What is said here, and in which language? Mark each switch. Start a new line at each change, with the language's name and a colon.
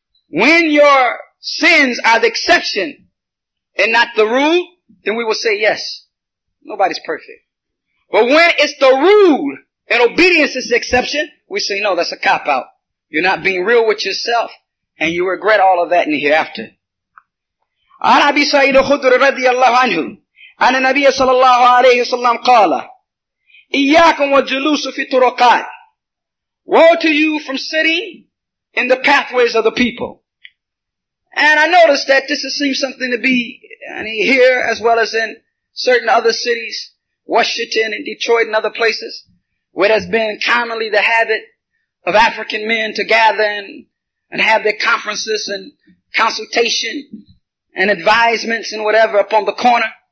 English: When your sins are the exception and not the rule, then we will say yes. Nobody's perfect. But when it's the rule and obedience is the exception, we say no, that's a cop out. You're not being real with yourself and you regret all of that in the hereafter.
Arabic: عن أبي سعيد الخدري رضي الله عنه عن النبي صلى الله عليه وسلم قال إياكم والجلوس في الطرقات.
English: Woe to you from sitting in the pathways of the people. And I noticed that this seems something to be here as well as in certain other cities, Washington and Detroit and other places, where it has been commonly the habit of African men to gather and have their conferences and consultation and advisements and whatever upon the corner.